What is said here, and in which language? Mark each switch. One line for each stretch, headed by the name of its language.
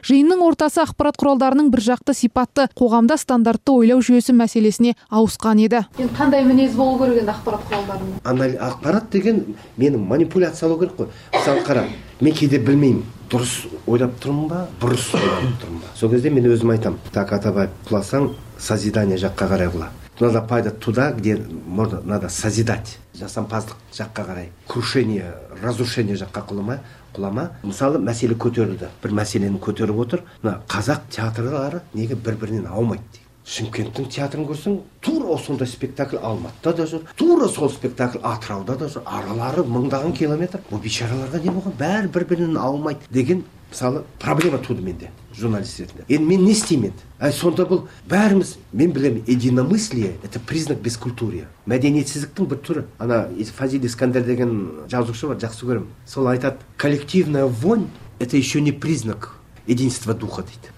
Kazakh: Жиынның ортасы ақпарат құралдарының бір жақты сипатты, қоғамда стандартты ойлау жүйесі мәселесіне ауысқан еді. Енді қандай мінез болу керек енді ақпарат құралдарының? Ақпарат деген мені манипуляциялау керек қой. Мысалы қара, мен кейде білмеймін, дұрыс ойлап тұрмын ба, бұрыс ойлап тұрмын ба. Сол кезде мен өзім айтамын, так Атабай, құласаң созидание жаққа қарай құла.
Russian: Надо пайда туда, где можно, надо созидать.
Kazakh: Жасампаздық жаққа қарай.
Russian: Крушение, разрушение
Kazakh: жаққа құлама. Құлама. Мысалы, мәселе көтерілді. Бір мәселені көтеріп отыр. Қазақ театрлары неге бір-бірінен аумайды? Шымкенттің театрын көрсең, тура осындай спектакль Алматыда да жүр, тура сол спектакль Атырауда да жүр, аралары мыңдаған километр. Бұл бейшараларға не болған? Бәрі бір-бірінен аумайды деген, мысалы, проблема туды менде журналист ретінде. Енді мен не істеймін? Сонда бұл бәріміз, мен білемін,
Russian: единомыслие это признак бескультурия.
Kazakh: Мәдениетсіздіктің бір түрі. Ана Фазиль Искандер деген жазушы бар, жақсы көремін. Сол айтады:
Russian: "Коллективная вонь это ещё не признак единства духа",
Kazakh: дейді.